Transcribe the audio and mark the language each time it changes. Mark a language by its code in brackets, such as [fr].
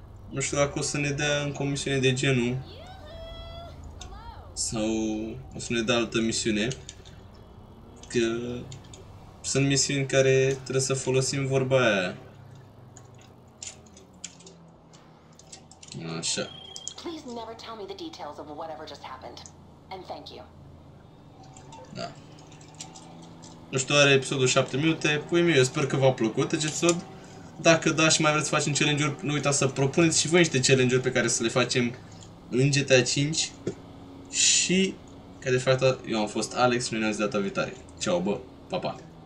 [ro] Nu știu dacă o să ne dea încă o misiune de genul. Sau o să ne dea altă misiune. Că sunt misiuni care trebuie să folosim vorba aia. Așa. [en] Please never tell me the details of whatever just happened. And thank you. [ro] Da. Nu știu, are episodul 7 minute. Pui mie, eu sper că v-a plăcut acest episod. Dacă da și mai vreți să facem challenge-uri, nu uitați să propuneți și voi niște challenge-uri pe care să le facem în GTA 5. Și, ca de fapt, eu am fost Alex și noi ne-am zis data viitoare. Ceau, bă, pa, pa!